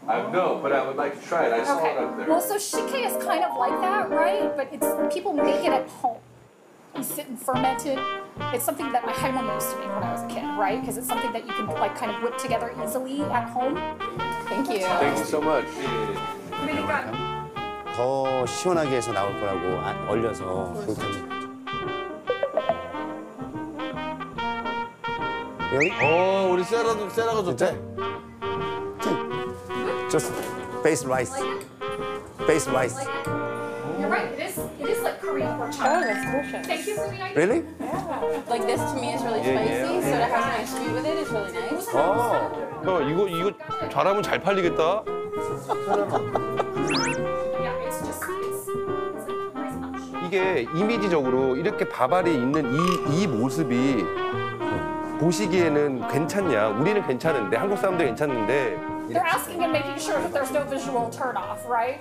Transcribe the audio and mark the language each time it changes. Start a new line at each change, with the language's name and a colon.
English: No, but I would like to try it. I saw it up there. Well, so shikhae is kind of like that, right? But it's people make it at home. You sit and ferment it. It's something that my 할머니 used to make when I was a kid, right? Because it's something that you can like kind of whip together easily at home. Thank you. Thank you so much.
Korean: 더 시원하게 해서 나올 거라고 아, 얼려서 그렇게 여기? 오, 우리 세라도 세라가 좋대. 진짜?
English: Just base rice. Base rice. You're right. It is like Korean pork chop. Oh, that's delicious. Thank you for the idea. Really? Yeah. Like this to me is really spicy, yeah. So to have a nice sweet with it is really nice. Oh.
Korean: 야, 이거 잘하면 잘 팔리겠다.
English: Yeah, it's just nice.
Korean: 이게 이미지적으로 이렇게 밥알이 있는 이 모습이 보시기에는 괜찮냐? 우리는 괜찮은데 한국 사람들 괜찮은데.
English: They're asking and making sure that there's no visual turn off, right?